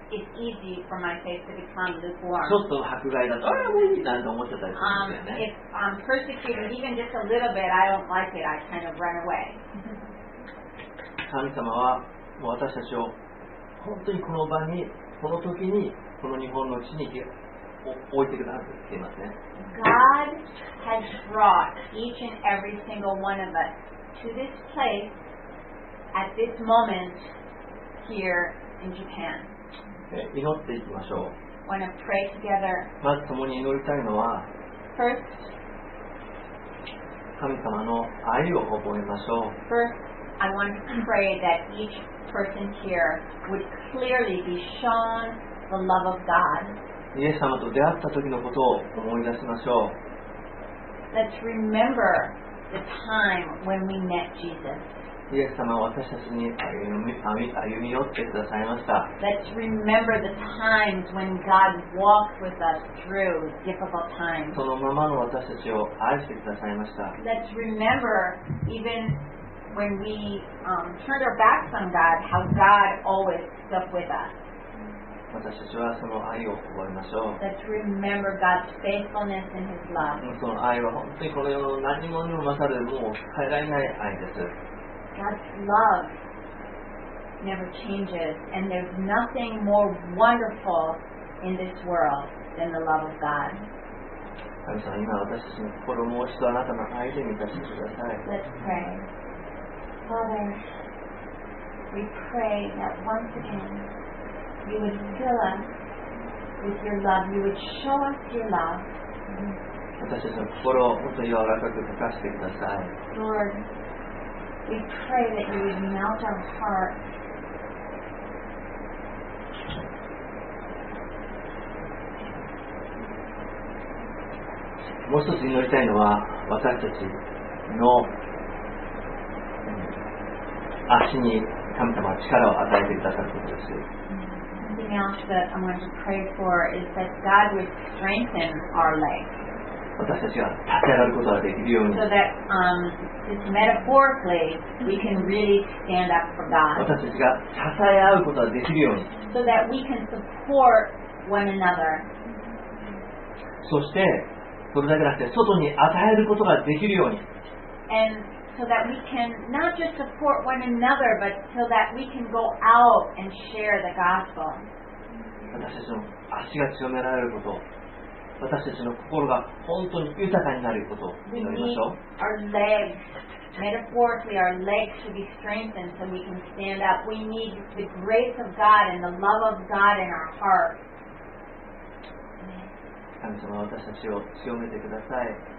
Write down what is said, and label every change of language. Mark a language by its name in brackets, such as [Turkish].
[English] It's easy for my faith to become lukewarm. [Japanese] ちょっと迫害だと、ああ、いいなと思っちゃったりするんですよね。 [English] If I'm persecuted, even just a little bit, I don't like it. I kind of run away. [Japanese] 神様は私たちを本当にこの場に、この時に、この日本の地に。 [English] God has brought each and every single one of us to this place at this moment here in Japan. [Japanese] 祈っていきましょう。 [English] Wanna pray together. [Japanese] まず共に祈りたいのは、 [English] First, [Japanese] 神様の愛を覚えましょう。 [English] First, I want to pray that each person here would clearly be shown the love of God. [Japanese] イエス様と出会った時のことを思い出しましょう。 [English] Let's remember the time when we met Jesus. [Japanese] イエス様は私たちに歩み寄ってくださいました。 [English] Let's remember the times when God walked with us through difficult times. [Japanese] そのままの私たちを愛してくださいました。 [English] Let's remember evenWhen we turned our backs on God, how God always stuck with us. [Japanese] 私たちはその愛を覚えましょう。 [English] Let's remember God's faithfulness and His love. [Japanese] その愛は本当にこの世の何者にも勝る、もう変えられない愛です。 [English] God's love never changes, and there's nothing more wonderful in this world than the love of God. [Japanese] 神様、今私たちの心をもう一度あなたの愛で満たしてください。 [English] Let's pray. Father, we pray that once again you would fill us with your love. You would show us your love. [Japanese] 私たちの心を本当に柔らかく溶かしてください。 [English] Lord, we pray that you would melt our hearts. [Japanese] もう一つ祈りたいのは私たちの足に神様は力を与えてくださることです。 [English] Something else that I want to pray for is that God would strengthen our legs. [Japanese] 私たちが立ち上がることができるように。 [English] So that, just metaphorically, we can really stand up for God. [Japanese] 私たちが支え合うことができるように。 [English] So that we can support one another. [Japanese] そして、それだけなくて外に与えることができるように。 [English] And,So that we can not just support one another, but so that we can go out and share the gospel. [Japanese] 私たちの足が強められること、私たちの心が本当に豊かになることを祈りましょう。 [English] Our legs, metaphorically, our legs should be strengthened so we can stand up. We need the grace of God and the love of God in our heart. [Japanese] 神様、私たちを強めてください。